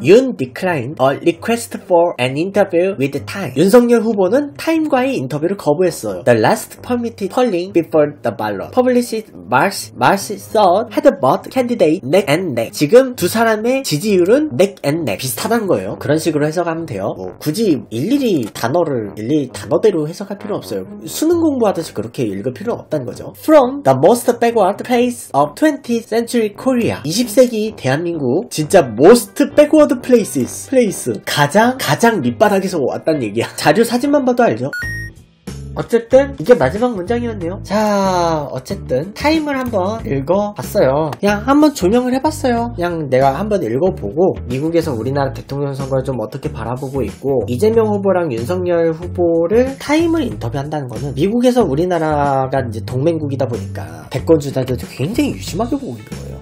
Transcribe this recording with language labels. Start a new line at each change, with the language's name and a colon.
English: Yoon declined a request for an interview with Time.
Korean: 윤석열 후보는 타임과의 인터뷰를 거부했어요.
English: The last permitted polling before the ballot published March 3rd had both candidates neck and neck.
Korean: 지금 두 사람의 지지율은
English: neck and neck
Korean: 비슷하단 거예요. 그런 식으로 해석하면 돼요. 뭐 굳이 일일이 단어를 일일이 단어대로 해석할 필요 없어요. 수능 공부하듯이 그렇게 읽을 필요는 없다는 거죠.
English: From the most backward place of 20th century Korea.
Korean: 20세기 대한민국 진짜
English: most backward places. place.
Korean: 가장 밑바닥에서 왔다는 얘기야. 자료 사진만 봐도 알죠? 어쨌든 이게 마지막 문장이었네요. 자, 어쨌든 타임을 한번 읽어봤어요. 그냥 한번 조명을 해봤어요. 그냥 내가 한번 읽어보고 미국에서 우리나라 대통령 선거를 좀 어떻게 바라보고 있고 이재명 후보랑 윤석열 후보를 타임을 인터뷰한다는 거는 미국에서 우리나라가 이제 동맹국이다 보니까 대권 주자들도 굉장히 유심하게 보고 있는 거예요.